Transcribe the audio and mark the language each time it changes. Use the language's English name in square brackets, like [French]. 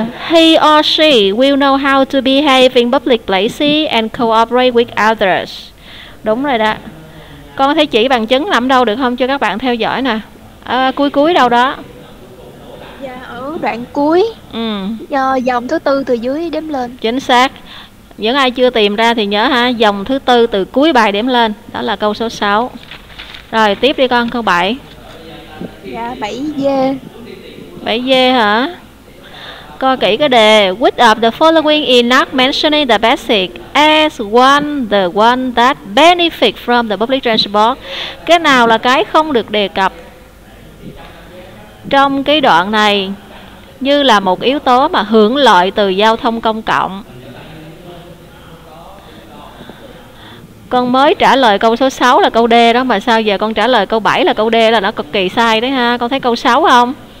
[English] He or she will know how to behave in public places and cooperate with others. [Vietnamese] Đúng rồi đó. Con có thể chỉ bằng chứng làm đâu được không cho các bạn theo dõi nè. Cuối cuối đâu đó. Dạ, ở đoạn cuối. Ừ. Do dòng thứ tư từ dưới đếm lên. Chính xác. Những ai chưa tìm ra thì nhớ ha, dòng thứ tư từ cuối bài đếm lên. Đó là câu số 6. Rồi, tiếp đi con, câu 7. Dạ, 7D. 7D hả? Coi kỹ cái đề. [English] Which of the following is not mentioned in the passage as one the one that benefit from the public transport? [Vietnamese] Cái nào là cái không được đề cập trong cái đoạn này như là một yếu tố mà hưởng lợi từ giao thông công cộng? Con mới trả lời câu số 6 là câu D đó, mà sao giờ con trả lời câu 7 là câu D là nó cực kỳ sai đấy ha. Con thấy câu 6 không?